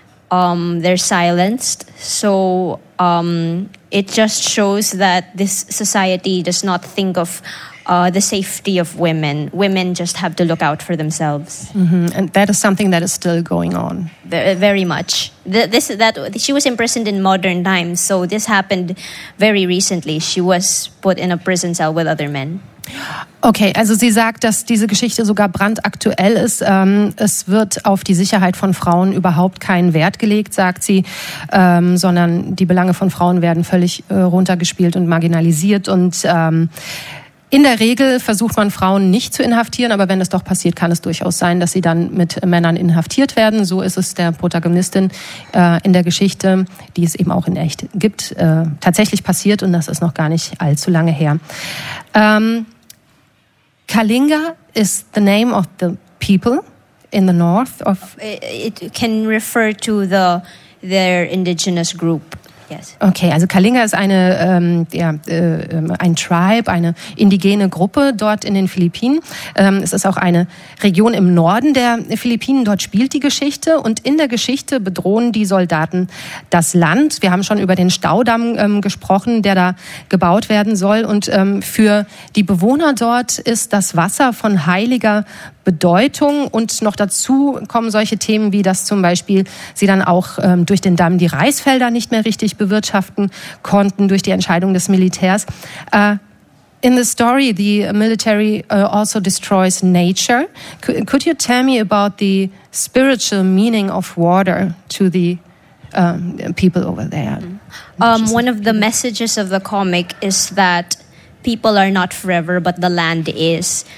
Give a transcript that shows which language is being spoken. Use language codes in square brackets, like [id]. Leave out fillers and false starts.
[en] They're silenced. So it just shows that this society does not think of the safety of women. Women just have to look out for themselves. Mm-hmm. And that is something that is still going on. Very much. She was imprisoned in modern times, so this happened very recently. She was put in a prison cell with other men. [de] Okay, also sie sagt, dass diese Geschichte sogar brandaktuell ist. Es wird auf die Sicherheit von Frauen überhaupt keinen Wert gelegt, sagt sie, sondern die Belange von Frauen werden völlig runtergespielt und marginalisiert. Und in der Regel versucht man, Frauen nicht zu inhaftieren, aber wenn das doch passiert, kann es durchaus sein, dass sie dann mit Männern inhaftiert werden. So ist es der Protagonistin in der Geschichte, die es eben auch in echt gibt, tatsächlich passiert, und das ist noch gar nicht allzu lange her. [en] Kalinga is the name of the people in the north of... It can refer to their indigenous group. Yes. [de] Okay, also Kalinga ist eine ein Tribe, eine indigene Gruppe dort in den Philippinen. Es ist auch eine Region im Norden der Philippinen. Dort spielt die Geschichte, und in der Geschichte bedrohen die Soldaten das Land. Wir haben schon über den Staudamm gesprochen, der da gebaut werden soll. Und für die Bewohner dort ist das Wasser von heiliger Bedeutung, und noch dazu kommen solche Themen wie, dass zum Beispiel sie dann auch durch den Damm die Reisfelder nicht mehr richtig bewirtschaften konnten durch die Entscheidung des Militärs. [en] In the story, the military also destroys nature. Could you tell me about the spiritual meaning of water to the people over there? One of the messages of the comic is that people are not forever, but the land is.